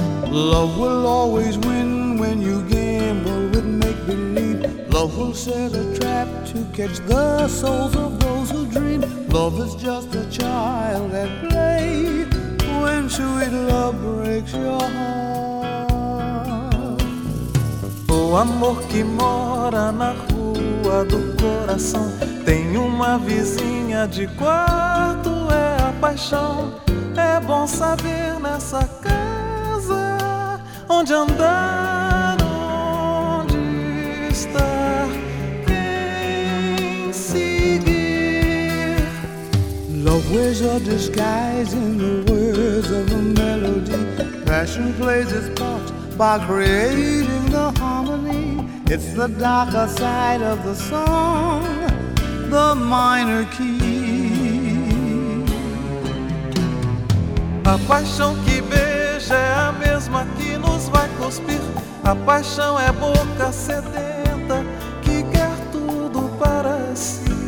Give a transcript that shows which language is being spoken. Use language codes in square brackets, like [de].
[en] Love will always win when you gamble with make-believe. Love will set a trap to catch the souls of those who dream. Love is just a child at play when sweet love breaks your heart. [pt] O amor que mora na rua do coração tem uma vizinha de quarto, é a paixão. É bom saber nessa casa onde andar, onde estar, quem seguir. [en] Love wears a disguise in the words of a melody. Passion plays its part by creating the harmony. It's the darker side of the song, the minor key. [pt] A paixão que beija é a mesma que vai cuspir. A paixão é boca sedenta que quer tudo para si.